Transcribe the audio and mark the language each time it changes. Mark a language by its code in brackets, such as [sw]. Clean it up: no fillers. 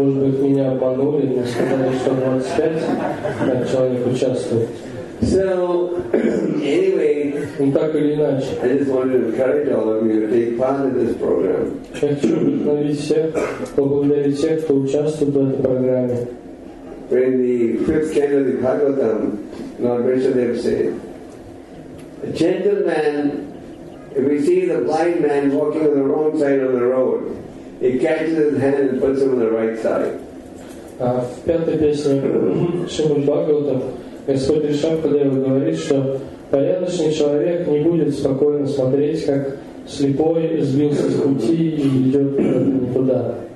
[ru] Может быть, меня обманули, но сказали, что 25 человек участвует. [en] So, anyway, I just wanted to encourage all of you to take part in this program. [ru] Хочу вдохновить всех, поблагодарить всех, кто участвует в этой программе. [en] When the fifth canto of the Bhagavatam, Lord Vishnudeva said, a gentleman, if he sees a blind man walking on the wrong side of the road, he catches his hand and puts him on the right side. [ru] В пятой песне Шримад Бхагаватам Господь Ришабхадева говорит, что порядочный человек не будет спокойно смотреть, как слепой сбился с пути и идет туда.